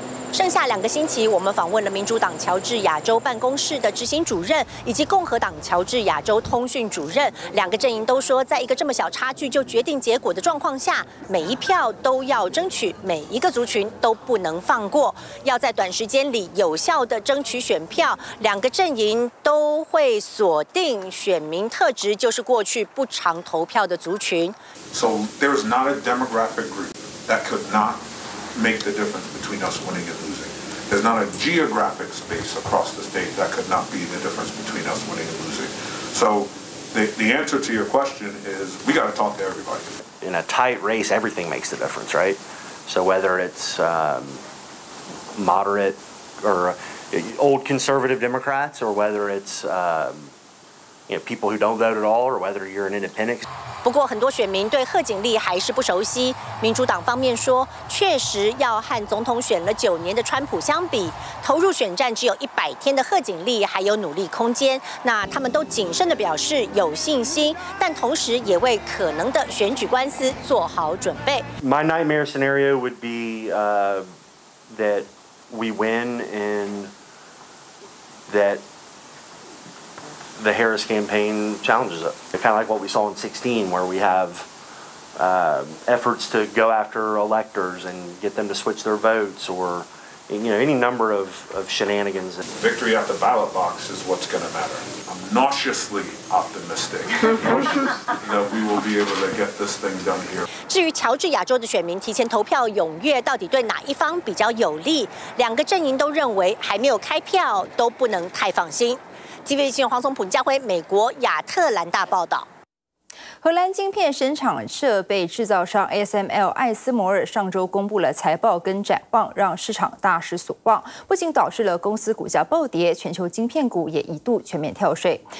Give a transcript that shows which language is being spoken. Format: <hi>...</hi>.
<zh>剩下2个星期，我们访问了民主党乔治亚州办公室的执行主任以及共和党乔治亚州通讯主任，两个阵营都说，在一个这么小差距就决定结果的状况下，每一票都要争取，每一个族群都不能放过，要在短时间里有效地争取选票。两个阵营都会锁定选民特质，就是过去不常投票的族群。</zh> <en>So there is not a demographic group that could notmake the difference between us winning and losing. There's not a geographic space across the state that could not be the difference between us winning and losing. So the answer to your question is we got to talk to everybody. In a tight race, everything makes the difference, right? So whether it's moderate or old conservative Democrats or whether it's you know, people who don't vote at all or whether you're an independent.</en> <zh>不过很多选民对贺锦丽还是不熟悉，民主党方面说，确实要和总统选了九年的川普相比，投入选战只有100天的贺锦丽还有努力空间。那他们都谨慎地表示有信心，但同时也为可能的选举官司做好准备。</zh> <en>My nightmare scenario would be that we win and that the Harris campaign challenges it. It's kind of like what we saw in 16, where we have efforts to go after electors and get them to switch their votes or, you know, any number of shenanigans. Victory at the ballot box is what's going to matter. I'm nauseously optimistic that we will be able to get this thing done here.</en> <zh>至于乔治亚州的选民提前投票踊跃，到底对哪一方比较有利？两个阵营都认为还没有开票，都不能太放心。 TVBS 新闻黄松浦、林佳辉，美国亚特兰大报道。荷兰晶片生产设备制造商 ASML 艾斯摩尔上周公布了财报跟展望，让市场大失所望，不仅导致了公司股价暴跌，全球晶片股也一度全面跳水。</zh>